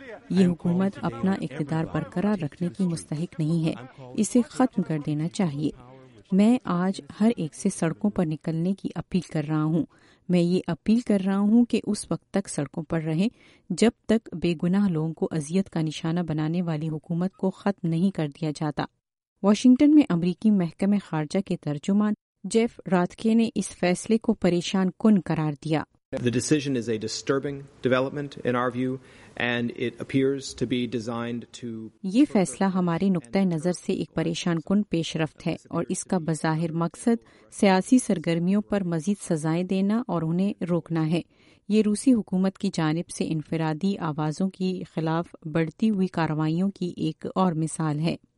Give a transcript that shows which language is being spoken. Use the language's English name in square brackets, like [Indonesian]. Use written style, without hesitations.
[Urdu] یہ حکومت اپنا اقتدار برقرار رکھنے کی مستحق نہیں ہے، اسے ختم کر دینا چاہیے۔ میں آج ہر ایک سے سڑکوں پر نکلنے کی اپیل کر رہا ہوں۔ میں یہ اپیل کر رہا ہوں کہ اس وقت تک سڑکوں پر رہیں جب تک بے گناہ لوگوں کو اذیت کا نشانہ بنانے والی حکومت کو ختم نہیں کر دیا جاتا۔ واشنگٹن میں امریکی محکمہ خارجہ کے ترجمان جیف راتکے نے اس فیصلے کو پریشان کن قرار دیا۔ [English] The decision is a disturbing development in our view and it appears to be designed to [Urdu] یہ فیصلہ ہمارے نقطہ نظر سے ایک پریشان کن پیش رفت ہے اور اس کا بظاہر مقصد سیاسی سرگرمیوں پر مزید سزائیں دینا اور انہیں روکنا ہے۔ یہ روسی حکومت کی جانب سے انفرادی آوازوں کی خلاف بڑھتی ہوئی کارروائیوں کی ایک اور مثال ہے۔